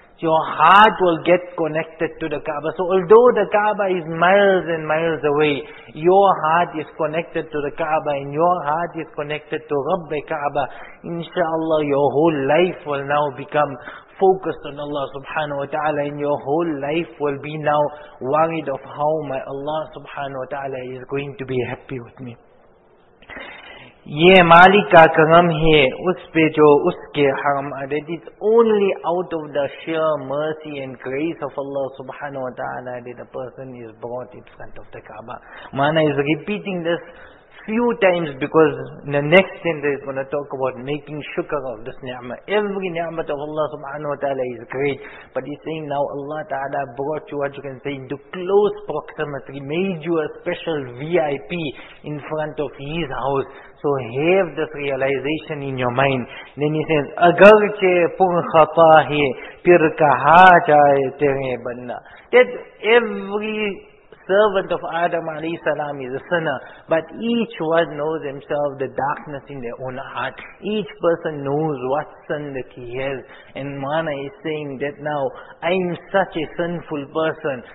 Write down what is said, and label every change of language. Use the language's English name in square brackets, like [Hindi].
[English] Your heart will get connected to the Kaaba. So although the Kaaba is miles and miles away, your heart is connected to the Kaaba and your heart is connected to Rabbi Kaaba. Inshallah, your whole life will now become focused on Allah subhanahu wa ta'ala and your whole life will be now worried of how my Allah subhanahu wa ta'ala is going to be happy with me. [Urdu] یہ مالک کا کرم ہے اس پہ جو اس کے حرم آ رہے. [English] It's only out of the sheer mercy and grace of Allah subhanahu wa ta'ala that a person is brought in front of the Kaaba. Mawlana is repeating this few times because in the next sentence is going to talk about making shukr of this ni'mah. Every ni'mah of Allah subhanahu wa ta'ala is great. But he's saying now Allah ta'ala brought you, what you can say, into close proximity, made you a special VIP in front of his house. So have this realization in your mind. Then he says, [Urdu] اگرچہ پر خطا ہے پھر کہا جائے تیرے بننا. [English] That every servant of Adam alayhi salam is a sinner, but each one knows himself the darkness in their own heart. Each person knows what sin that he has. And Mawlana is saying that now, I am such a sinful person.